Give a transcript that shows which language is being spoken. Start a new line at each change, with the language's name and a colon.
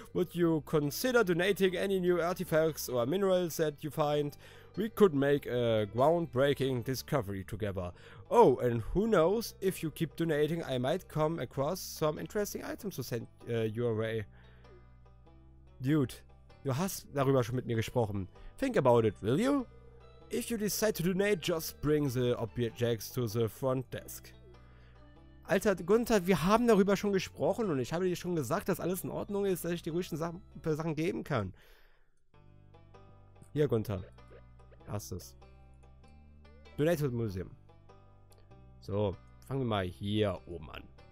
English: Would you consider donating any new artifacts or minerals that you find? We could make a groundbreaking discovery together. Oh, and who knows, if you keep donating, I might come across some interesting items to send your way.
German: Dude, du hast darüber schon mit mir gesprochen.
English: Think about it, will you? If you decide to donate, just bring the objects to the front desk.
German: Alter, Gunther, wir haben darüber schon gesprochen und ich habe dir schon gesagt, dass alles in Ordnung ist, dass ich dir ruhig Sachen geben kann. Hier, Gunther. Hast es.
English: Donated Museum.
German: So, fangen wir mal hier oben an.